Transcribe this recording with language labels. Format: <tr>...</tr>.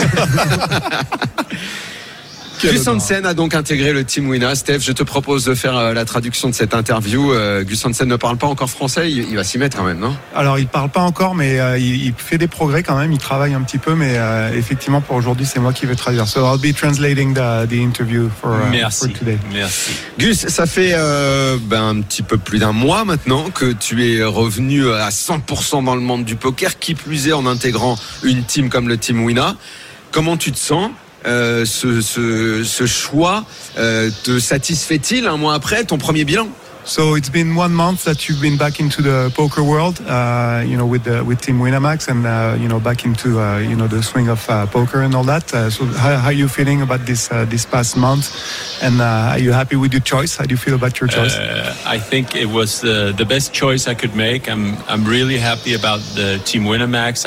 <fr>À tous. Gus Hansen a donc intégré le team Wina. Steph, je te propose de faire la traduction de cette interview. Gus Hansen ne parle pas encore français, il va s'y mettre quand même, non? Alors, il parle pas encore, mais il fait des progrès quand même, il travaille un petit peu, mais effectivement, pour aujourd'hui, c'est moi qui vais traduire.</fr> <en>So, I'll be translating the interview for today.</en> <fr>Merci. Gus, ça fait un petit peu plus d'un mois maintenant que tu es revenu à 100% dans le monde du poker, qui plus est en intégrant une team comme le team Wina. Comment tu te sens? Ce choix te satisfait-il un mois après ton premier bilan?</fr> <en>So it's been 1 month that you've been back into the poker world, with Team Winamax and back into the swing of poker and all that. So how are you feeling about this past month? And are you happy with your choice? How do you feel about your choice? I think it was the best choice I could make. I'm really happy about the Team Winamax.</en>